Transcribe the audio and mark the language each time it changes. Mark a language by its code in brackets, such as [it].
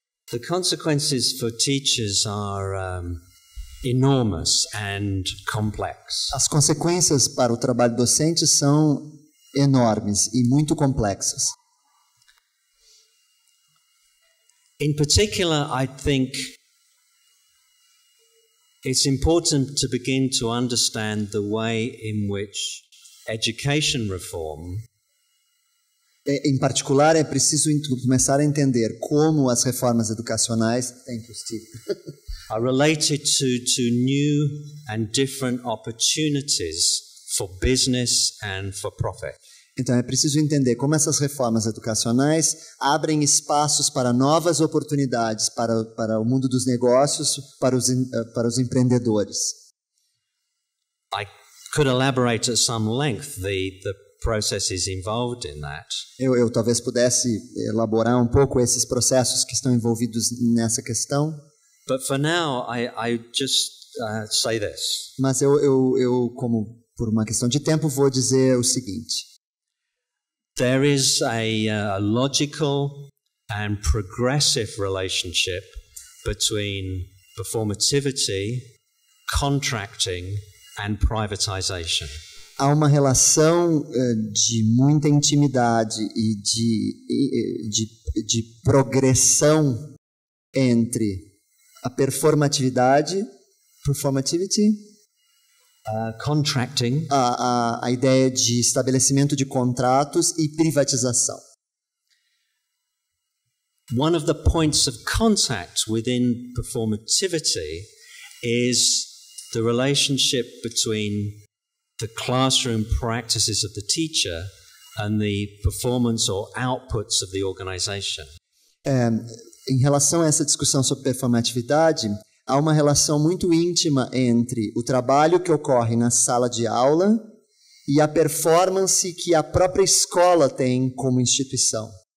[en] The consequences for teachers are enormous and complex. [pt] As consequências para o trabalho docente são enormes e muito complexas. [en] In particular, I think it's important to begin to understand the way in which education reform. [pt] Em particular, é preciso começar a entender como as reformas educacionais. [en] Thank you, Steve. Are related to new and different opportunities for business and for profit. [pt] Então, é preciso entender como essas reformas educacionais abrem espaços para novas oportunidades para o mundo dos negócios, para os empreendedores. [en] I could elaborate at some length the processes involved in that. [pt] Eu talvez pudesse elaborar um pouco esses processos que estão envolvidos nessa questão. [en] But for now, I just say this. [pt] Mas eu como por uma questão de tempo vou dizer o seguinte. [en] There is a logical and progressive relationship between performativity, contracting and privatization. [pt] Há uma relação de muita intimidade e de progressão entre a performatividade, performativity, [en] contracting, [pt] a ideia de estabelecimento de contratos e privatização. [en] One of the points of contact within performativity is the relationship between the classroom practices of the teacher and the performance or outputs of the organization. [pt] Em relação a essa discussão sobre performatividade, há uma relação muito íntima entre o trabalho que ocorre na sala de aula e a performance que a própria escola tem como instituição.